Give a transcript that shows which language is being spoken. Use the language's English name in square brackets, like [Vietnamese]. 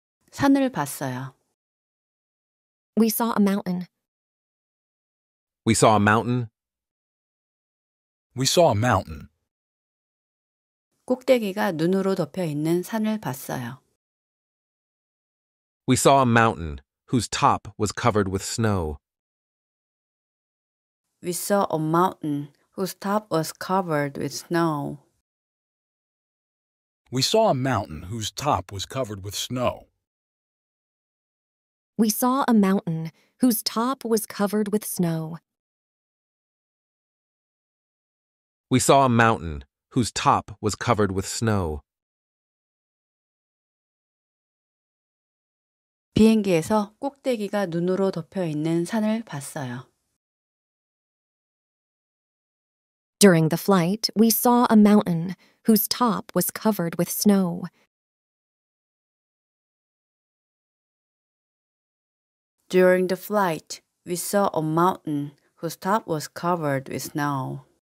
[Korean] 산을 봤어요. [English] We saw a mountain. We saw a mountain. We saw a mountain. [Korean] 꼭대기가 눈으로 덮여 있는 산을 봤어요. [English] We saw a mountain whose top was covered with snow. We saw a mountain whose top was covered with snow. We saw a mountain whose top was covered with snow. We saw a mountain whose top was covered with snow. We saw a mountain whose top was covered with snow. [Korean] 비행기에서 꼭대기가 눈으로 덮여 있는 산을 봤어요. [English] During the flight, we saw a mountain whose top was covered with snow. During the flight, we saw a mountain whose top was covered with snow.